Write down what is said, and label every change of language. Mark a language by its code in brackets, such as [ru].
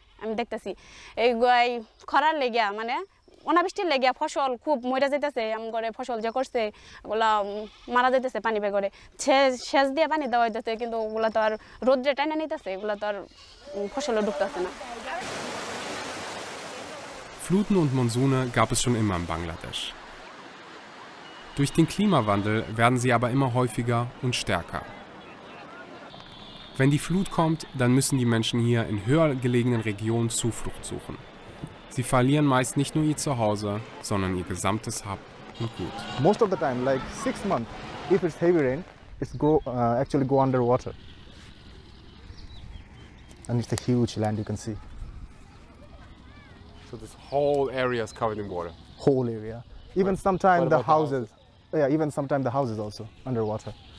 [bn] আমি দেখতেছি এই গাই খরার লেগিয়া মানে অনাবৃষ্টির লেগিয়া ফসল খুব মরা যেতেছে, আমার ঘরে ফসল যা করছে ওগুলো মারা যেতেছে পানি বের করে, সেচ দিয়ে পানি দেওয়া হইতেছে কিন্তু ওগুলো তো আর রোদ্রে টেনে নিতেছে, এগুলো তো আর ফসলে ঢুকতেছে না। [de] Fluten und Monsune gab es schon immer in Bangladesch. Durch den Klimawandel werden sie aber immer häufiger und stärker. Wenn die Flut kommt, dann müssen die Menschen hier in höher gelegenen Regionen Zuflucht suchen. Sie verlieren meist nicht nur ihr Zuhause, sondern ihr gesamtes Hab und Gut. [en] Most of the time, like 6 months, if it's heavy rain, it's actually go underwater. And it's a huge land you can see. So this whole area is covered in water. Whole area. Even sometimes the houses. Yeah, even sometimes the houses also underwater.